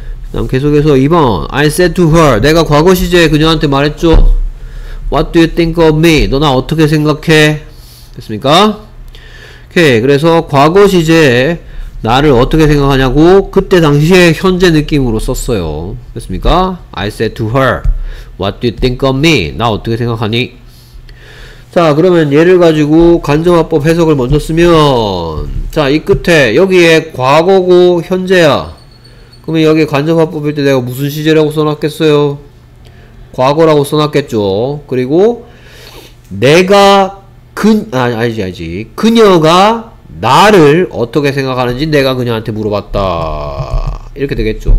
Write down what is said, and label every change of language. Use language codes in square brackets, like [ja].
[ko] 그 다음 계속해서 2번 [en] I said to her [ko] 내가 과거 시제에 그녀한테 말했죠. [en] What do you think of me? [ko] 너 나 어떻게 생각해? 됐습니까? 오케이. 그래서 과거 시제에 나를 어떻게 생각하냐고 그때 당시에 현재 느낌으로 썼어요. 됐습니까? [en] I said to her What do you think of me? [ko] 나 어떻게 생각하니? 자 그러면 얘를 가지고 간접화법 해석을 먼저 쓰면 자 이 끝에 여기에 과거고 현재야. 그러면 여기 간접화법일 때 내가 무슨 시제라고 써놨겠어요? 과거라고 써놨겠죠. 그리고 내가 그녀가 나를 어떻게 생각하는지 내가 그녀한테 물어봤다. 이렇게 되겠죠.